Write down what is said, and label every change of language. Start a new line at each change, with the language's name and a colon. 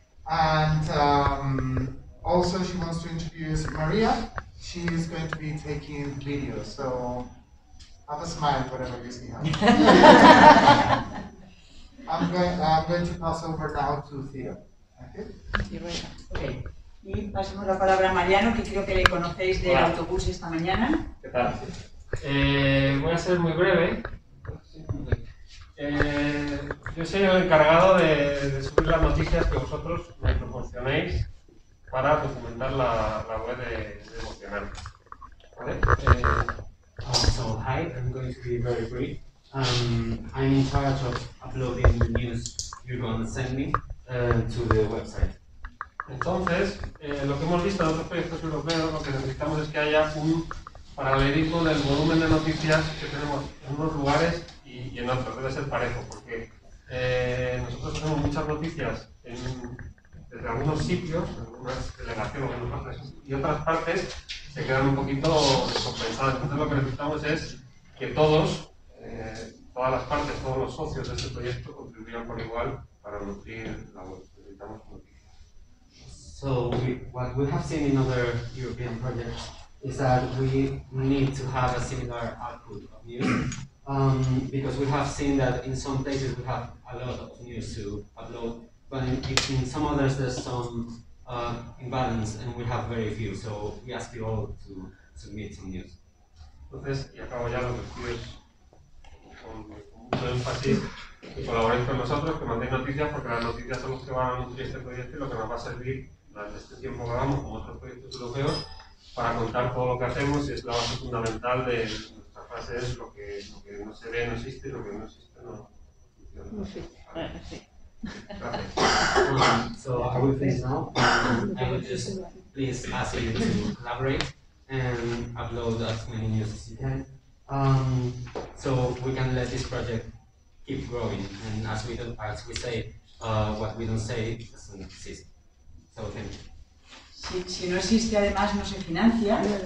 English: And also, she wants to introduce Maria. She is going to be taking videos. So have a smile, whatever you see. I'm going to pass over now to Theo. Okay.
Spanish: Y pasamos la palabra a Mariano, que creo que le conocéis del autobús esta mañana. ¿Qué tal? Voy a ser muy breve. Yo soy el encargado de subir las noticias que vosotros me proporcionéis para documentar la web de Emocional. ¿Vale?
English: So, hi, I'm going to be very brief. I'm in charge of uploading the news you're going to send me to the website.
Spanish: Entonces, lo que hemos visto en otros proyectos europeos, lo que necesitamos es que haya un paralelismo del volumen de noticias que tenemos en unos lugares y en otros. Debe ser parejo, porque nosotros tenemos muchas noticias desde algunos sitios, en algunas delegaciones, en algunas partes, y otras partes se quedan un poquito descompensadas. Entonces lo que necesitamos es que todos, todas las partes, todos los socios de este proyecto contribuyan por igual para nutrir la web. Necesitamos noticias.
English: So, what we have seen in other European projects is that we need to have a similar output of news. Because we have seen that in some places we have a lot of news to upload, but in some others there's some imbalance and we have very few, so we ask you all to submit some news.
Spanish: Entonces, y acabo ya lo que pido es con mucho énfasis que colaboréis con nosotros, que mandéis noticias, porque las noticias son las que van a nutrir este proyecto y lo que nos va a servir durante este tiempo que hagamos con otros proyectos europeos para contar todo lo que hacemos y es la base fundamental de nuestra fase es lo que no se ve no existe, lo que no existe no funciona.
English: So how we finish now? I would just please ask you to collaborate and upload as many news as you can. So we can let this project keep growing, and as we don't, as we say, what we don't say doesn't exist. So thank you.
Spanish: Si, si no existe, además, no se financia.